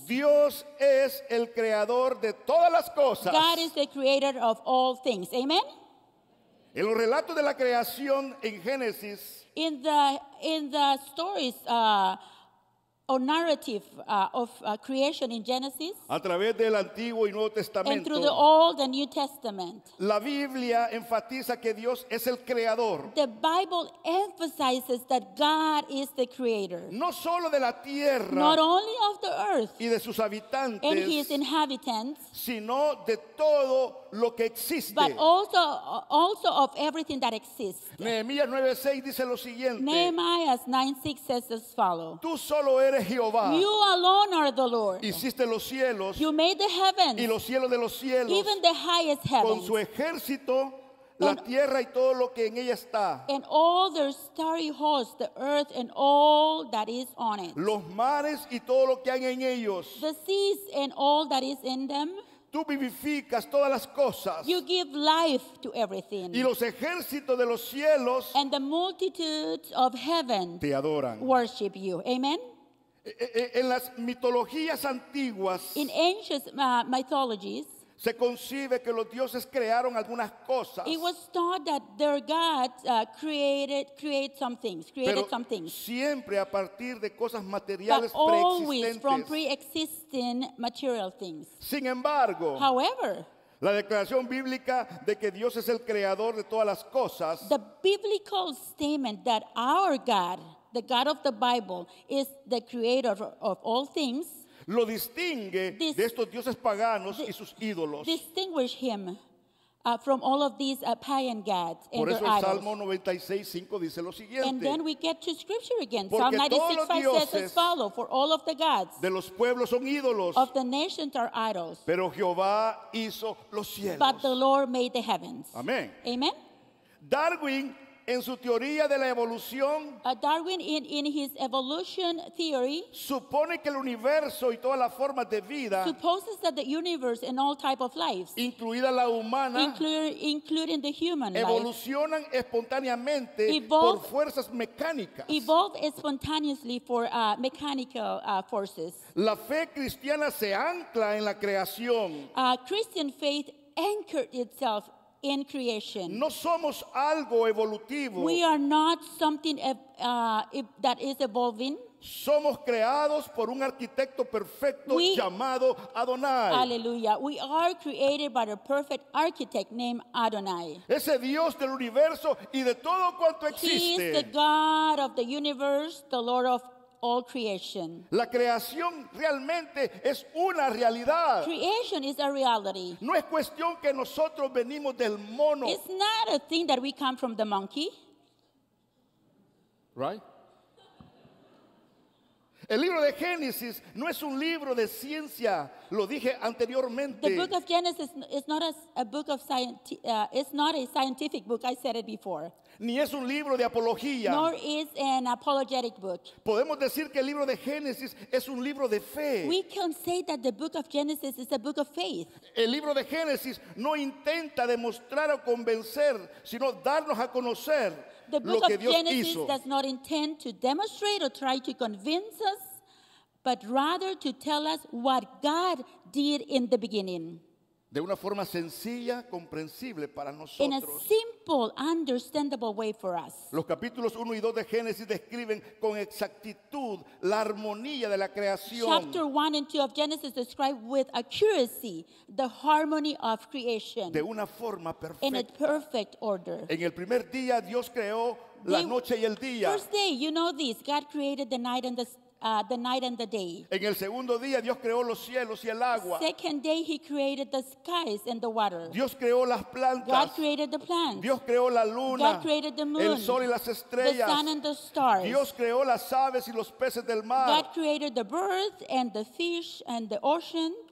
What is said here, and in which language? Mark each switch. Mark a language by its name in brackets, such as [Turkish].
[Spanish] Dios es el creador de todas las cosas. [English] God is the creator of all things. Amen. [Spanish] En los relatos de la creación en Génesis, [English] in the stories or narrative of creation in Genesis, [Spanish] a través del Antiguo y Nuevo Testamento, [English] and through the Old and New Testament, [Spanish] la Biblia enfatiza que Dios es el creador. [English] The Bible emphasizes that God is the creator. [Spanish] No solo de la tierra, [English] not only of the earth, [Spanish] y de sus habitantes, [English] and his inhabitants, [Spanish] sino de todo lo que existe. [English] But also of everything that exists. [Spanish] Nehemías 9:6 dice lo siguiente. [English] Nehemiah 9:6 says as follows. [Spanish] Tú solo eres Jehová. [English] You alone are the Lord. [Spanish] Hiciste los cielos. [English] You made the heavens. [Spanish] Y los cielos de los cielos. [English] Even the highest heavens. [Spanish] Con su ejército, la tierra y todo lo que en ella está. [English] And all their starry hosts, the earth and all that is on it. [Spanish] Los mares y todo lo que hay en ellos. [English] The seas and all that is in them. [Spanish] Tú vivificas todas las cosas. [English] You give life to everything. [Spanish] Y los ejércitos de los cielos. [English] And the multitudes of heaven. [Spanish] Te adoran. [English] Worship you. Amen. [Spanish] En las mitologías antiguas, [English] in ancient mythologies, [Spanish] se concibe que los dioses crearon algunas cosas. [English] It was thought that their gods created some things. [Spanish] Pero siempre a partir de cosas materiales preexistentes. [English] But always from pre-existing material things. [Spanish] Sin embargo, [English] however, [Spanish] la declaración bíblica de que Dios es el creador de todas las cosas, [English] the biblical statement that our God, the God of the Bible, is the creator of all things. [Spanish] Lo distingue de estos dioses paganos y sus ídolos. [English] Distinguish him from all of these pagan gods and [Spanish] their [English] idols. [Spanish] Por eso el Salmo 96:5 dice lo siguiente. [English] And then we get to scripture again. [Spanish] Porque [English] Psalm 96:5 says as follow, for all of the gods [Spanish] de los pueblos son ídolos, [English] of the nations are idols. [Spanish] Pero Jehová hizo los cielos. [English] But the Lord made the heavens. [Spanish] Amén. [English] Amen. [Spanish] Darwin en su teoría de la evolución, [English] Darwin in his evolution theory, [Spanish] supone que el universo y todas las formas de vida, [English] supposes that the universe and all type of lives, [Spanish] incluida la humana, [English] including the human, [Spanish] evolucionan [English] life, [Spanish] espontáneamente por fuerzas mecánicas. [English] Evolve spontaneously for mechanical forces. [Spanish] La fe cristiana se ancla en la creación. [English] Christian faith anchored itself in creation. [Spanish] No somos algo evolutivo. [English] We are not something that is evolving. [Spanish] Somos creados por un arquitecto perfecto llamado Adonai. [English] Hallelujah. We are created by a perfect architect named Adonai. [Spanish] Ese Dios del universo y de todo cuanto existe. [English] He is the God of the universe, the Lord of all creation. [Spanish] La creación realmente es una realidad. [English] Creation is a reality. [Spanish] No es cuestión que nosotros venimos del mono. [English] It's not a thing that we come from the monkey. Right? [Spanish] El libro de Génesis no es un libro de ciencia. Lo dije anteriormente. [English] The book of Genesis is not a book of science. It's not a scientific book. I said it before. [Spanish] Ni es un libro de apología. [English] Nor is an apologetic book. [Spanish] Podemos decir que el libro de Génesis es un libro de fe. [English] We can say that the book of Genesis is a book of faith. [Spanish] El libro de Génesis no intenta demostrar o convencer, sino darnos a conocer lo que Dios hizo. [English] The book of Genesis does not intend to demonstrate or try to convince us, but rather to tell us what God did in the beginning. [Spanish] De una forma sencilla, comprensible para nosotros. [English] In a simple, understandable way for us. [Spanish] Los capítulos 1 y 2 de Génesis describen con exactitud la armonía de la creación. [English] Chapter 1 and 2 of Genesis describe with accuracy the harmony of creation. [Spanish] De una forma perfecta. [English] In a perfect order. [Spanish] En el primer día Dios creó la noche y el día. [English] First day, you know this, God created the night and the the night and the day. [Spanish] En el segundo día, Dios creó los cielos y el agua. [English] Second day, he created the skies and the water. [Spanish] Dios creó las plantas. [English] God created the plants. [Spanish] Dios creó la luna. [English] God created the moon. [Spanish] El sol y las estrellas. [English] The sun and the stars. [Spanish] Dios creó las aves y los peces del mar. [English] God created the birds and the fish and the ocean.